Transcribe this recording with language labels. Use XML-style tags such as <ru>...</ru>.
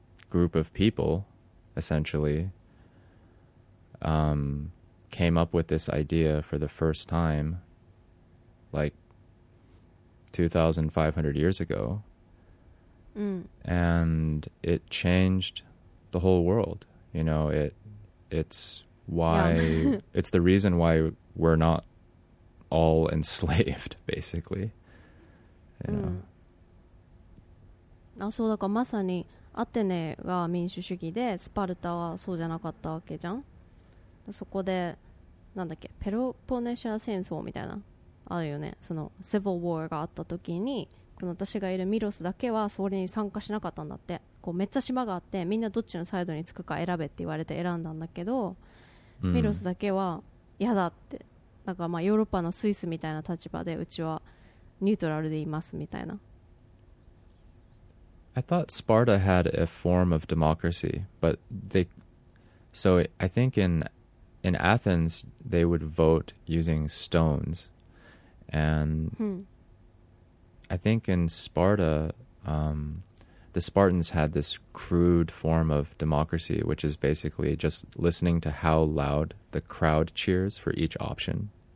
<en>group of people, essentially,、came up with this idea for the first time, like, 2,500 years ago. Mm. And it changed the whole world. You know, it's why、 yeah. it's the reason why we're not all enslaved, basically. You know.、</en> <ja>Mm. あ、そうだからまさにアテネが民主主義でスパルタはそうじゃなかったわけじゃん。そこでなんだっけ、ペロポネシア戦争みたいなあるよね。その civil war があったときに。この私がいるミロスだけはそれに参加しなかったんだって。こうめっちゃ島があってみんなどっちのサイドにつくか選べって言われて選んだんだけど、うん、ミロスだけは嫌だって。なんかまあヨーロッパのスイスみたいな立場でうちはニュートラルでいますみたいな。</ja> <en>I thought Sparta had a form of democracy, but they so I think in Athens they would vote using stones and、</en> <ja>うん、</ja> <en>I think in Sparta,、the Spartans had this crude form of democracy, which is basically just listening to how loud the crowd cheers for each option.</en>